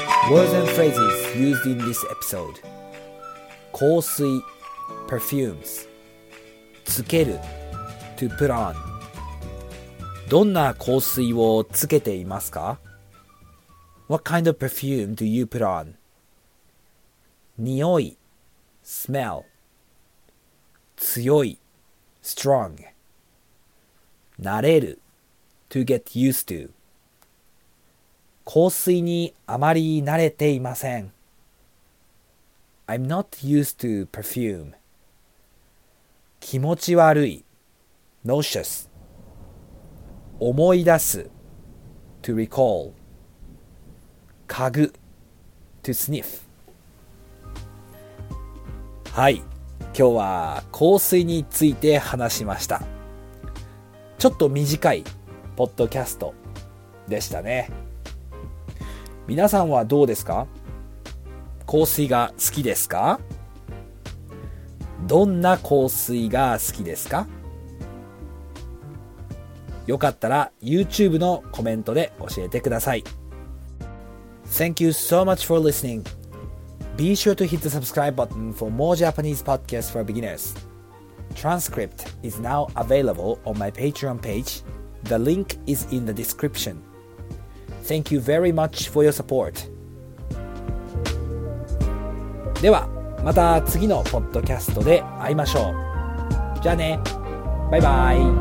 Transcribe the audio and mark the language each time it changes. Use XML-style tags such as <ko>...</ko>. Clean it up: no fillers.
<en>Words and phrases used in this episode: 香水 perfumes つける、To put on.</en> <ja>どんな香水をつけていますか?</ja> <en>What kind of perfume do you put on?</en> <ja>匂い smell 強い strong 慣れる</ja> <en>to get used to</en> <ja>香水にあまり慣れていません。</ja> <en>I'm not used to perfume 気持ち悪いNauseous. 思い出す To recall. 嗅ぐ To sniff.</en> <ja>はい、今日は香水について話しました。ちょっと短いポッドキャストでしたね。皆さんはどうですか？香水が好きですか？どんな香水が好きですか？よかったら YouTube のコメントで教えてください。</ja> <en>Thank you so much for listening. Be sure to hit the subscribe button for more Japanese podcasts for beginners. Transcript is now available on my Patreon page. The link is in the description. Thank you very much for your support.</en> <ja>ではまた次のポッドキャストで会いましょう。じゃあね。バイバイ。</ja>